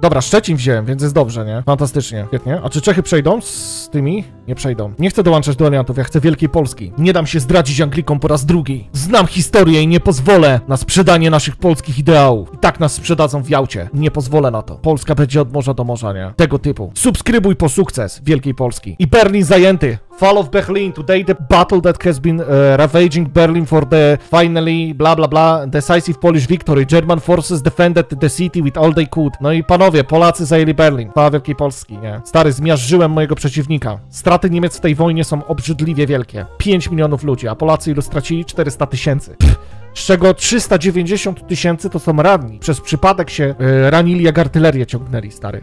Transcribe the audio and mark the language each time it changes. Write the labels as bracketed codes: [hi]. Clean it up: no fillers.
[pl] Dobra, Szczecin wziąłem, więc jest dobrze, nie? Fantastycznie. Świetnie. A czy Czechy przejdą z tymi? Nie przejdą. Nie chcę dołączać do aliantów, ja chcę Wielkiej Polski. Nie dam się zdradzić Anglikom po raz drugi. Znam historię i nie pozwolę na sprzedanie naszych polskich ideałów. I tak nas sprzedadzą w Jałcie. Nie pozwolę na to. Polska będzie od morza do morza, nie? Tego typu. Subskrybuj po sukces Wielkiej Polski. I Berlin zajęty. Fall of Berlin. [en] Today the battle that has been ravaging Berlin for the finally bla bla bla decisive Polish victory. German forces defended the city with all they could. [pl] No i panowie, Polacy zajęli Berlin. Chwała Wielkiej Polski, nie? Stary, zmiażdżyłem mojego przeciwnika. Straty Niemiec w tej wojnie są obrzydliwie wielkie. 5 milionów ludzi, a Polacy ilu stracili? 400 tysięcy. Z czego 390 tysięcy to są ranni. Przez przypadek się ranili, jak artylerię ciągnęli, stary.